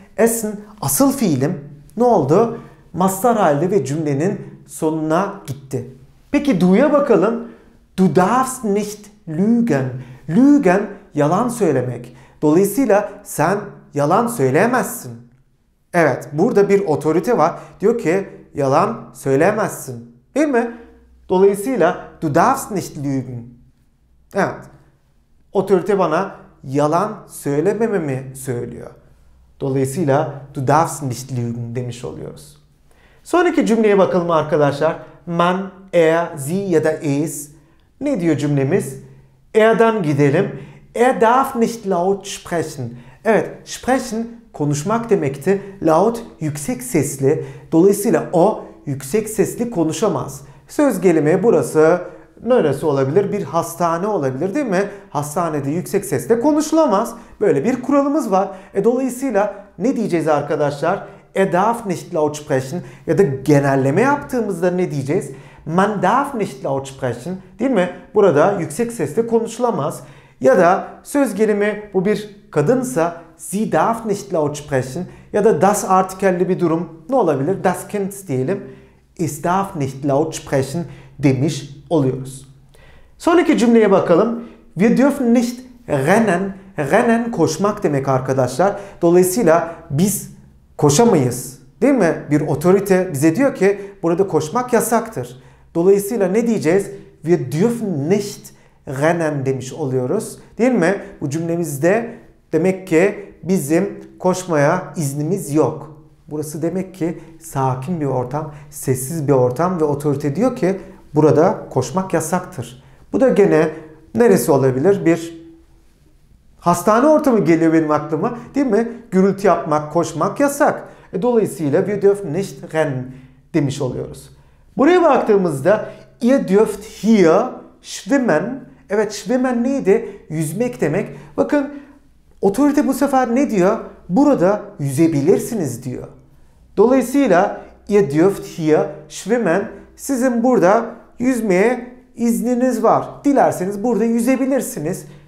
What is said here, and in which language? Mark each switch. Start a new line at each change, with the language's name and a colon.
Turkish: Essen asıl fiilim ne oldu? Mastar halde ve cümlenin sonuna gitti. Peki du'ya bakalım.
German: Du darfst nicht lügen.
Turkish: Lügen yalan söylemek. Dolayısıyla sen yalan söyleyemezsin. Evet, burada bir otorite var. Diyor ki yalan söyleyemezsin. Değil mi? Dolayısıyla
German: du darfst nicht lügen.
Turkish: Evet. Otorite bana yalan söylemememi söylüyor. Dolayısıyla
German: du darfst nicht lügen
Turkish: demiş oluyoruz. Sonraki cümleye bakalım arkadaşlar.
German: Man, er, sie
Turkish: ya da es. Ne diyor cümlemiz? Er'dan gidelim.
German: Er darf nicht laut sprechen.
Turkish: Evet, sprechen konuşmak demekti. Laut yüksek sesli. Dolayısıyla o yüksek sesli konuşamaz. Söz gelimi burası neresi olabilir? Bir hastane olabilir değil mi? Hastanede yüksek sesle konuşulamaz. Böyle bir kuralımız var. Dolayısıyla ne diyeceğiz arkadaşlar?
German: Er darf nicht laut sprechen
Turkish: ya da genelleme yaptığımızda ne diyeceğiz?
German: Man darf nicht laut sprechen,
Turkish: değil mi? Burada yüksek sesle konuşulamaz. Ya da söz gelimi bu bir kadınsa,
German: sie darf nicht laut sprechen.
Turkish: Ya da das artikelli bir durum ne olabilir?
German: Das Kind
Turkish: diyelim.
German: Es darf nicht laut sprechen
Turkish: demiş oluyoruz. Sonraki cümleye bakalım.
German: Wir dürfen nicht rennen.
Turkish: Rennen koşmak demek arkadaşlar. Dolayısıyla biz koşamayız. Değil mi? Bir otorite bize diyor ki burada koşmak yasaktır. Dolayısıyla ne diyeceğiz?
German: Wir dürfen nicht rennen
Turkish: demiş oluyoruz. Değil mi? Bu cümlemizde demek ki bizim koşmaya iznimiz yok. Burası demek ki sakin bir ortam, sessiz bir ortam ve otorite diyor ki burada koşmak yasaktır. Bu da gene neresi olabilir? Bir hastane ortamı geliyor benim aklıma, değil mi? Gürültü yapmak, koşmak yasak. Dolayısıyla
German: wir dürfen nicht rennen
Turkish: demiş oluyoruz. Buraya baktığımızda
German: ihr dürft hier schwimmen.
Turkish: Evet, schwimmen neydi? Yüzmek demek. Bakın otorite bu sefer ne diyor? Burada yüzebilirsiniz diyor. Dolayısıyla
German: ihr dürft hier schwimmen.
Turkish: Sizin burada yüzmeye izniniz var. Dilerseniz burada yüzebilirsiniz.